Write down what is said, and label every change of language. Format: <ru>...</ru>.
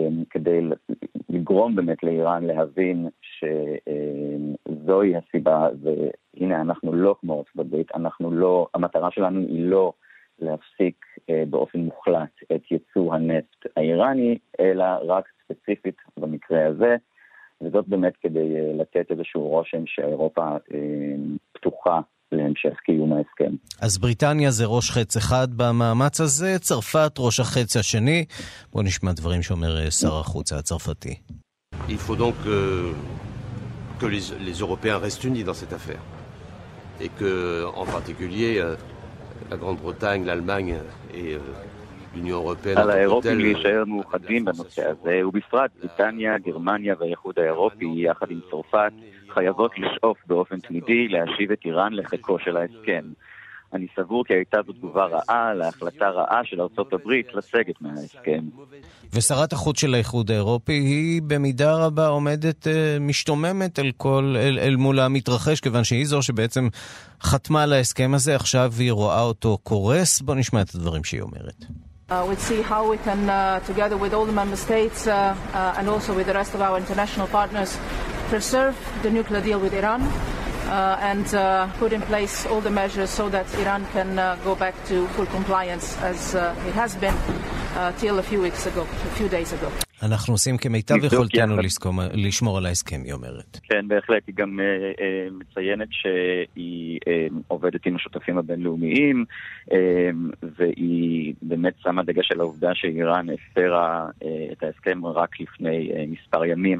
<he>כדי לגרום באמת לאיראן להבין שזוהי הסיבה, והנה אנחנו לא כמו ארצות הברית, אנחנו לא, המטרה שלנו היא לא להפסיק באופן מוחלט את ייצוא הנפט האיראני, אלא רק ספציפית במקרה הזה, וזאת באמת כדי לתת איזשהו רושם שאירופה פתוחה להמשך קיום ההסכם. אז בריטניה זה ראש חץ אחד במאמץ הזה, צרפת ראש החץ השני. בוא נשמע דברים שאומר שר החוץ הצרפתי.</he> <fr>Il faut donc que les Européens restent unis dans cette affaire et que en particulier la Grande-Bretagne, l'Allemagne et l'Union Européenne</fr> <he>על האירופים להישאר מאוחדים בנושא הזה, ובפרט בריטניה, גרמניה והאיחוד האירופי יחד עם צרפת חייבות לשאוף באופן תמידי להשיב את איראן לחיקו של ההסכם. אני סבור כי הייתה זו תגובה רעה להחלטה רעה של ארצות הברית לסגת מההסכם. ושרת החוץ של האיחוד האירופי היא במידה רבה עומדת משתוממת אל כל, אל מול המתרחש, כיוון שהיא זו שבעצם חתמה על ההסכם הזה, עכשיו היא רואה אותו קורס. בוא נשמע את הדברים שהיא אומרת.</he> <en>We'll see how we can together with all the member states and also with the rest of our international partners preserve the nuclear deal with Iran. And put in place all the measures so that Iran can go back to full compliance as it has been till a few weeks ago, a few days ago.</en> <he>אנחנו עושים כמיטב יכולתנו לשמור על ההסכם, היא אומרת. כן, בהחלט. היא גם מציינת שהיא עובדת עם השותפים הבינלאומיים, והיא באמת שמה דגש על העובדה שאיראן הפרה את ההסכם רק לפני מספר ימים.</he>